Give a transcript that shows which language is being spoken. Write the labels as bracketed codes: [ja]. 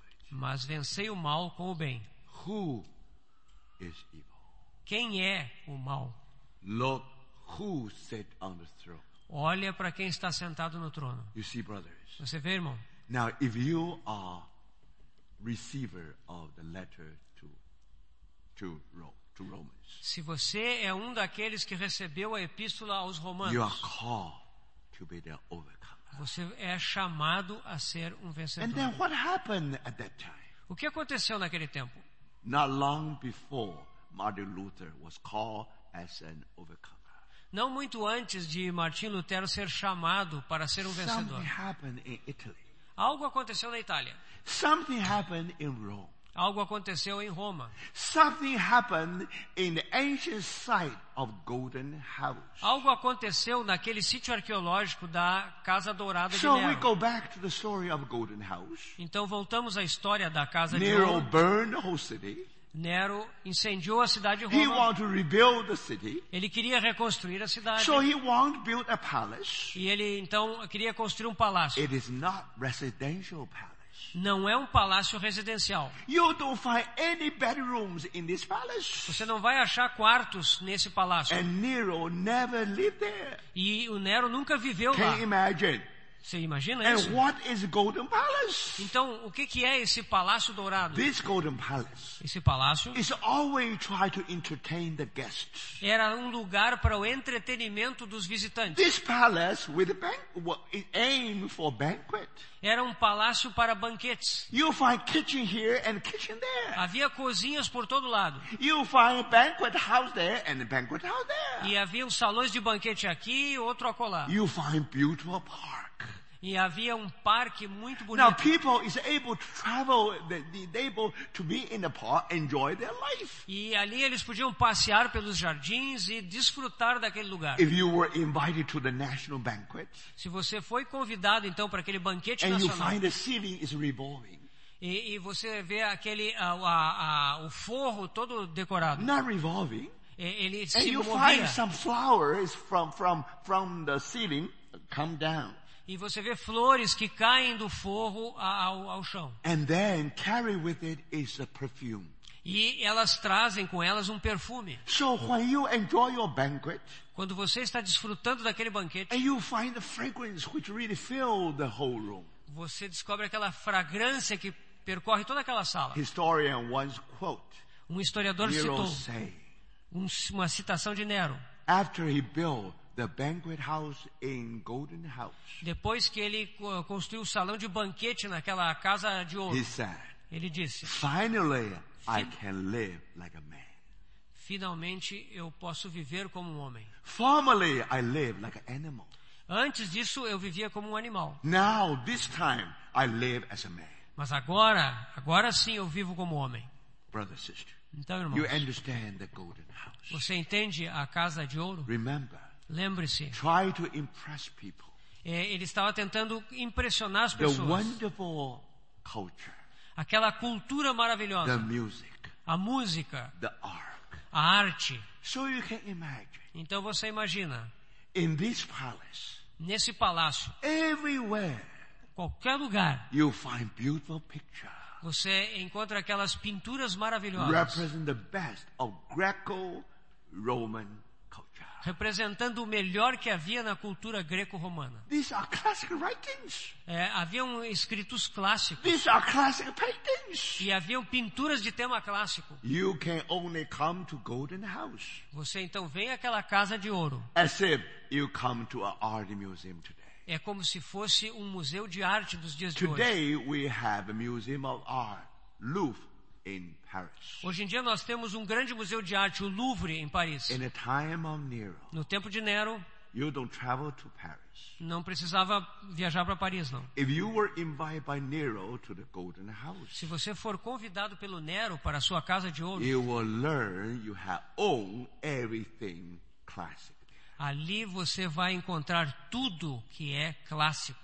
[pt] Mas vencei o mal com o bem. [en] Who is evil? [pt] Quem é o mal? [en] Look who sit on the throne. [pt] Olha para quem está sentado no trono. [en] You see, brothers. [pt] Você vê, irmão? [en] Now, if you are receiver of the letter to Romans. [pt] Se você é um daqueles que recebeu a epístola aos Romanos. [en] You are called to be the overcomer. [pt] Você é chamado a ser um vencedor. [en] And then what happened at that time? [pt] O que aconteceu naquele tempo? [en] Not long before Martin Luther was called as an overcomer. [pt] Não muito antes de Martin Lutero ser chamado para ser um vencedor. [en] Something happened in Italy. [pt] Algo aconteceu na Itália. [en] Something happened in Rome. [pt] Algo aconteceu em Roma. [en] Something happened in the ancient site of Golden House. [pt] Algo aconteceu naquele sítio arqueológico da Casa Dourada de Nero. [en] So we go back to the story of Golden House. [pt] Então voltamos à história da Casa de Nero. [en] Nero burned the whole city. [pt] Nero incendiou a cidade de Roma. [en] He wanted to rebuild the city. [pt] Ele queria reconstruir a cidade. [en] So he wanted to build a palace. [pt] E ele então queria construir um palácio. [en] It is not residential palace. [pt] Não é um palácio residencial. [en] You don't find any bedrooms in this palace. [pt] Você não vai achar quartos nesse palácio. [en] And Nero never lived there. [pt] E o Nero nunca viveu [en] Can [pt] lá. [en] Imagine. [pt] Você imagina [en] and [pt] isso? [en] What is golden palace? [pt] Então, o que que é esse palácio dourado? [en] This golden palace. [pt] Esse palácio. [en] It's always try to entertain the guests. [pt] Era um lugar para o entretenimento dos visitantes. [en] This palace with a banquet, aim for banquet. [pt] Era um palácio para banquetes. [en] You'll find kitchen here and kitchen there. [pt] Havia cozinhas por todo lado. [en] You'll find a banquet house there and a banquet house there. [pt] E havia uns salões de banquete aqui e outro acolá. [en] You'll find beautiful park. [pt] E havia um parque muito bonito. [en] Now people is able to travel, they're able to be in the park, enjoy their life. [pt] E ali eles podiam passear pelos jardins e desfrutar daquele lugar. [en] If you were invited to the national banquet, [pt] se você foi convidado então para aquele banquete [en] and [pt] nacional, [en] you find the ceiling is revolving. [pt] E você vê aquele o forro todo decorado. [en] Not revolving. [pt] Ele [en] and [pt] se [en] you [pt] movia. [en] Find some flowers from the ceiling come down. [pt] E você vê flores que caem do forro ao chão. [en] And then carry with it is a perfume. [pt] E elas trazem com elas um perfume. [en] So when you enjoy your banquet, [pt] quando você está desfrutando daquele banquete, [en] and you find the fragrance which really fill the whole room, [pt] você descobre aquela fragrância que percorre toda aquela sala. [en] Historian once quote, [pt] um historiador [en] Nero [pt] citou [en] say, [pt] uma citação de Nero. [en] After he built the banquet house in Golden House. [pt] Depois que ele construiu o salão de banquete naquela casa de ouro, [en] he said, [pt] ele disse, [en] finally, I can live like a man. [pt] Finalmente, eu posso viver como um homem. [en] Formerly, I live like an animal. [pt] Antes disso, eu vivia como um animal. [en] Now, this time, I live as a man. [pt] Mas agora sim, eu vivo como homem. [en] Brother, sister, [pt] então, irmãos, [en] you understand the Golden House. [pt] Você entende a casa de ouro? [en] Remember. [pt] Lembre-se. [en] Try to impress people. [pt] Ele estava tentando impressionar as pessoas. [en] The wonderful culture. [pt] Aquela cultura maravilhosa. [en] The music. [pt] A música. [en] The art. [pt] A arte. [en] So you can imagine. [pt] Então você imagina. [en] In this palace. [pt] Nesse palácio. [en] Everywhere. [pt] Qualquer lugar. [en] You'll find beautiful pictures. [pt] Você encontra aquelas pinturas maravilhosas. [en] Represent the best of Greco-Roman culture. [pt] Representando o melhor que havia na cultura greco-romana. [en] These are classic writings. [pt] Haviam escritos clássicos. [en] These are classic paintings. [pt] E haviam pinturas de tema clássico. [en] You can only come to Golden House. [pt] Você então vem àquela casa de ouro. [en] As if you come to an art museum today. [pt] É como se fosse um museu de arte dos dias [en] today, [pt] de hoje. [en] Today we have a museum of art, Louvre. In Paris. [pt] Hoje em dia nós temos um grande museu de arte, o Louvre, em Paris. [en] In the time of Nero, [pt] no tempo de Nero, [en] you don't travel to Paris. [pt] Não precisava viajar para Paris, não. [en] If you were invited by Nero to the Golden House, [pt] se você for convidado pelo Nero para a sua casa de ouro, [en] you will learn you have all everything classic. [pt] Ali você vai encontrar tudo que é clássico.